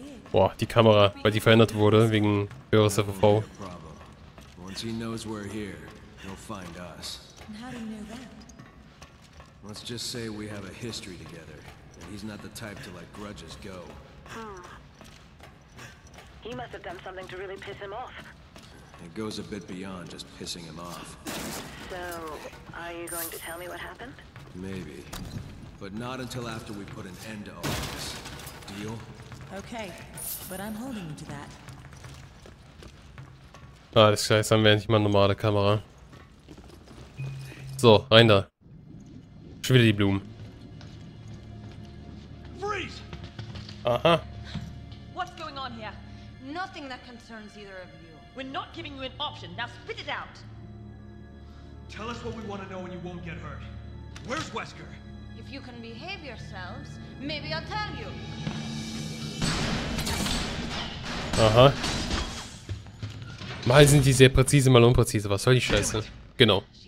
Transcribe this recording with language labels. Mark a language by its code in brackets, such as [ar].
[de] Boah, die Kamera, weil die verändert wurde, wegen höheres FOV. [en] Once he knows we're here, he'll find us. And how do you know that? Let's just say we have a history together, and he's not the type to let grudges go. Hmm. He must have done something to really piss him off. It goes a bit beyond just pissing him off. So, are you going to tell me what happened? Maybe. But not until after we put an end to all this. Deal? Okay, but I'm holding you to that. [de] Ah, das heißt, dann wäre nicht mal eine normale Kamera. So, rein da. Schon wieder die Blumen. [en] Freeze! Aha. What's going on here? Nothing that concerns either of you. We're not giving you an option. Now spit it out. Tell us what we want to know and you won't get hurt. Where's Wesker? If you can behave yourselves, maybe I'll tell you. Aha. [de] Mal sind die sehr präzise, mal unpräzise. Was soll die Scheiße? Genau.